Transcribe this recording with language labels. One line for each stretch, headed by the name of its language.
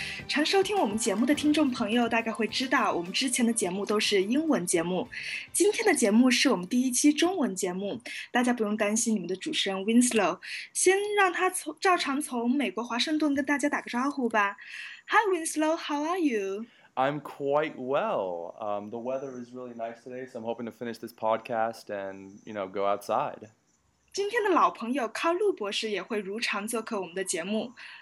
Chinese: 常收听我们节目的听众朋友大概会知道，我们之前的节目都是英文节目，今天的节目是我们第一期中文节目。大家不用担心你们的主持人 Winslow， 先让他照常从美国华盛顿跟大家打个招呼吧。
English: Hi Winslow, how are you? I'm quite well. The weather is really nice today, so I'm hoping to finish this podcast and, you know, go outside.
Chinese: 今天的老朋友 Carl 陆博士也会如常做客我们的节目。